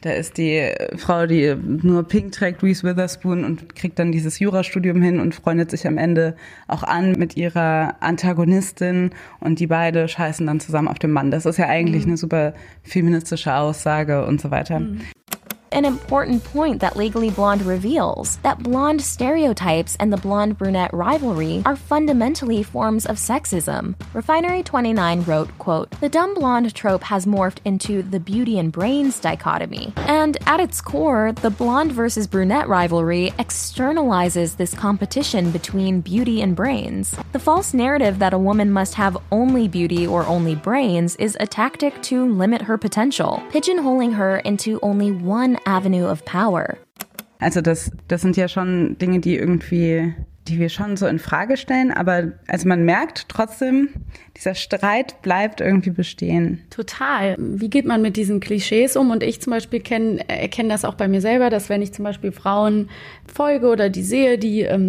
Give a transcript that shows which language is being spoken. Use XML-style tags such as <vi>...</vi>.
<de>Da ist die Frau, die nur Pink trägt, Reese Witherspoon, und kriegt dann dieses Jurastudium hin und freundet sich am Ende auch an mit ihrer Antagonistin, und die beide scheißen dann zusammen auf den Mann. Das ist ja eigentlich eine super feministische Aussage und so weiter.</de> <en>An important point that Legally Blonde reveals, that blonde stereotypes and the blonde-brunette rivalry are fundamentally forms of sexism. Refinery29 wrote, quote, "The dumb blonde trope has morphed into the beauty and brains dichotomy. And at its core, the blonde versus brunette rivalry externalizes this competition between beauty and brains. The false narrative that a woman must have only beauty or only brains is a tactic to limit her potential, pigeonholing her into only one avenue of power."</en> <de>Also das sind ja schon Dinge, die wir schon so in Frage stellen, aber also man merkt trotzdem, dieser Streit bleibt irgendwie bestehen. Total. Wie geht man mit diesen Klischees um? Und ich zum Beispiel erkenne das auch bei mir selber, dass wenn ich zum Beispiel Frauen folge oder die sehe, die</de>